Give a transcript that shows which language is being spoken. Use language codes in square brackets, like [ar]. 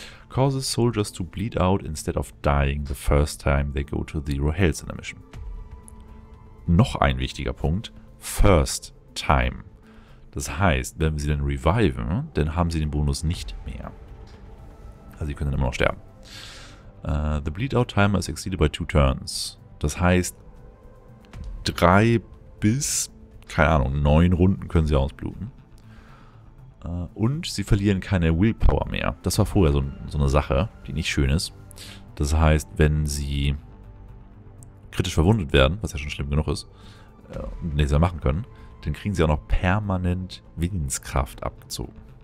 [en] Causes soldiers to bleed out instead of dying the first time they go to Zero Health in a mission. [de] Noch ein wichtiger Punkt. [en] First time. [de] Das heißt, wenn wir sie dann reviven, dann haben sie den Bonus nicht mehr. Also sie können dann immer noch sterben. [en] The bleed-out timer is exceeded by 2 turns. [de] Das heißt, 3 bis, keine Ahnung, 9 Runden können sie ausbluten. Und sie verlieren keine Willpower mehr. Das war vorher so eine Sache, die nicht schön ist. Das heißt, wenn sie kritisch verwundet werden, was ja schon schlimm genug ist, und nichts mehr machen können, dann kriegen sie auch noch permanent Willenskraft abgezogen.